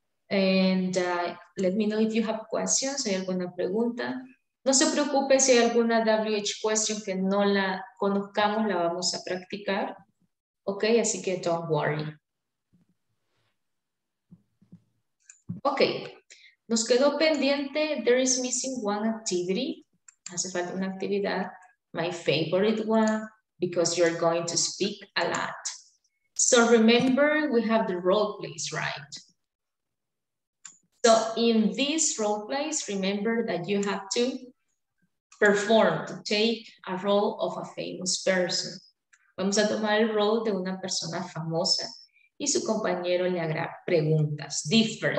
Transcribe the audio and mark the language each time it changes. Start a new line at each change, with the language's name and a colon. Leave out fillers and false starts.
English: And let me know if you have questions.
Spanish: ¿Hay alguna pregunta? No se preocupe si hay alguna WH question que no la conozcamos, la vamos a practicar. Ok, así que
English: don't worry. Ok,
Spanish: nos quedó pendiente,
English: there is missing one activity.
Spanish: Hace falta una actividad,
English: my favorite one, because you're going to speak a lot. So remember, we have the role plays, right? So in these role plays, remember that you have to perform, to take a role of a famous person.
Spanish: Vamos a tomar el rol de una persona famosa y su compañero le hará preguntas
English: different.